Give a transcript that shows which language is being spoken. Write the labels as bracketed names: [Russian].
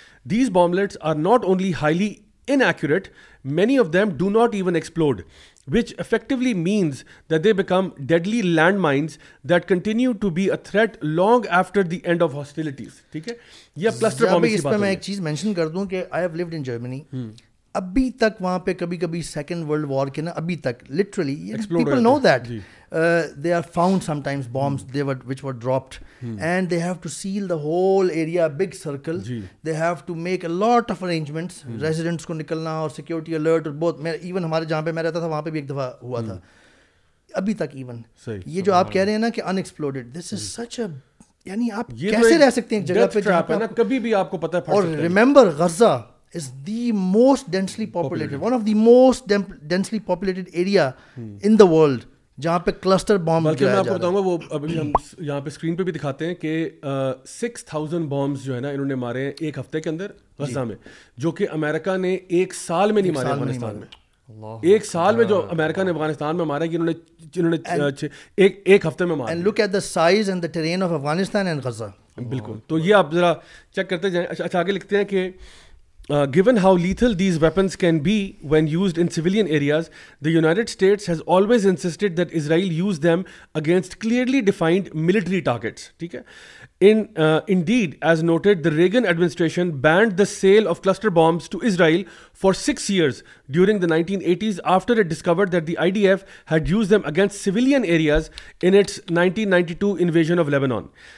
[Urdu] These بامبلٹس are not only highly [English] inaccurate, many of them do not even explode, which effectively means that they become deadly landmines that continue to be a threat long after the end of hostilities. [Urdu] ٹھیک ہے, یہ cluster Bombas کی بات ہے. اس پہ میں ایک چیز مینشن کر دوں کہ [English] I have lived in Germany, [Urdu] ابھی تک وہاں پہ کبھی کبھی سیکنڈ ورلڈ وار کے نا, ابھی تک [English] literally people know that they are found sometimes bombs they were which were dropped and they have to seal the whole area, big circle, they have to make a lot of arrangements, residents [Urdu] کو نکلنا اور security alert اور بہت. میں even ہمارے جہاں پہ میں رہتا تھا وہاں پہ بھی ایک دفعہ ہوا تھا, ابھی تک ایون یہ جو آپ کہہ رہے ہیں نا کہ ان ایکسپلوڈیڈ, [English] this is such a, [Urdu] یعنی آپ کیسے رہ سکتے ہیں جگہ پہ کبھی بھی آپ کو پتا. [English] اور remember Gaza is the most densely populated, one of the most densely populated area in the world [Urdu] جہاں پہ کلسٹر بامب گرایا جا رہا ہے. بلکہ میں آپ کو بتاؤں گا, وہ ابھی ہم یہاں پہ سکرین پہ بھی دکھاتے ہیں کہ 6,000 بامبز جو ہے نا انہوں نے مارے ہیں ایک ہفتے کے اندر غزہ میں, جو کہ امریکہ نے ایک سال میں نہیں مارے افغانستان میں. ایک سال میں جو امریکہ نے افغانستان میں مارا, انہوں نے ایک ہفتے میں مارا. [English] And look at the size and the terrain of Afghanistan and Gaza. [Urdu] بالکل, تو یہ آپ ذرا چیک کرتے جائیں. اچھا آگے لکھتے ہیں کہ [English] given how lethal these weapons can be when used in civilian areas, the United States has always insisted that Israel use them against clearly defined military targets. [Urdu] Theek hai, [English] indeed, as noted, the Reagan administration banned the sale of cluster bombs to Israel for 6 years during the 1980s after it discovered that the IDF had used them against civilian areas in its 1992 invasion of Lebanon.